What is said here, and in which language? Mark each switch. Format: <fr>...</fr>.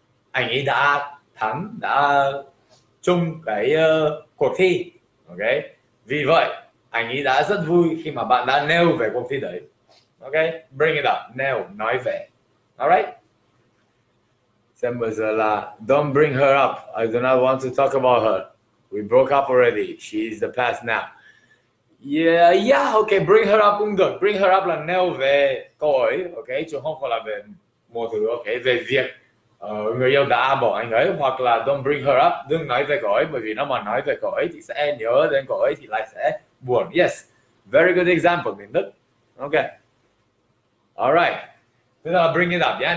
<vi>Anh ấy đã thắng, đã chung cái cuộc thi, okay, vì vậy anh ấy đã rất vui khi mà bạn đã nêu về cuộc thi đấy.</vi> <en>Okay, bring it up,</en> <vi>nêu, nói về.</vi> <en>Alright.</en> <vi>Xem bây giờ là</vi> <en>don't bring her up, I do not want to talk about her, we broke up already, she is the past now. Yeah, okay, bring her up</en> <vi>cũng được.</vi> <en>Bring her up</en> <vi>là nêu về cô ấy, okay, chứ không phải là về một thứ, okay, về việc người yêu đã bỏ anh ấy. Hoặc là</vi> <en>don't bring her up,</en> <vi>đừng nói về cô ấy, bởi vì nó mà nói về cô ấy thì sẽ nhớ đến cô ấy thì lại sẽ buồn.</vi> <en>Yes, very good example, Minh Đức. Okay, alright.</en> <vi>Thế là</vi> <en>bring it up nhé.</en>